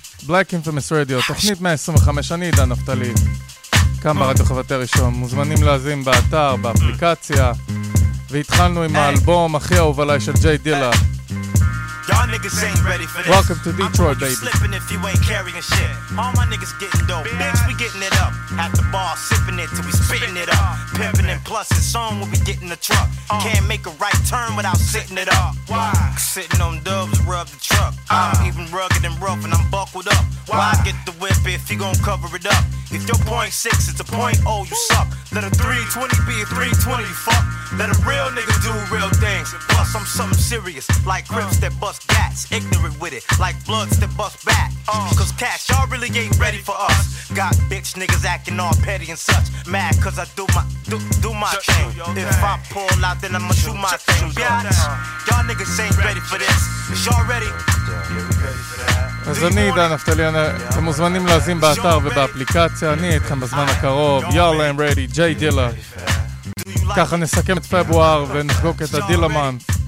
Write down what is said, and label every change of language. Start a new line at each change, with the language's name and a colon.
Hebrew: Black Infamous Radio, תוכנית 125, אני עידן נפתלי. כאן ברדיו חברתי הראשון. מוזמנים להזין באתר, באפליקציה. והתחלנו עם האלבום הכי אהוב עליי של ג'יי דילה.
English: Y'all niggas ain't ready for this. Welcome to Detroit, baby. I'm slipping if you ain't carrying shit. All my niggas getting dope. Bitch, we getting it up. At the bar, sipping it till we spitting it up. Pimping and plussing. Song when we get in the truck. Can't make a right turn without sitting it up. Why? Sitting on dubs, rub the truck. I'm even rugged and rough and I'm buckled up. Why get the whip if you gon' cover it up? If your .6 is a .0, you suck. Let a 320 be a 320, you fuck. Let a real nigga do real things. Plus, I'm something serious. Like Crips that bust gats, ignorant with it, like bloods that bust back. Cause cash, y'all really ain't ready for us. Got bitch niggas acting all petty and such. Mad cause I do my thing. If I pull out, then I'ma shoot my thing. Y'all niggas ain't ready for this. Is y'all ready?
Hebrew: אז אני עידן נפתלי, אתם מוזמנים להזין באתר ובאפליקציה, אני איתכם בזמן הקרוב,
English: Y'all I'm ready,
Hebrew: Jay Dilla. ככה נסכם את פברואר ונחגוג את הדילה מאנט.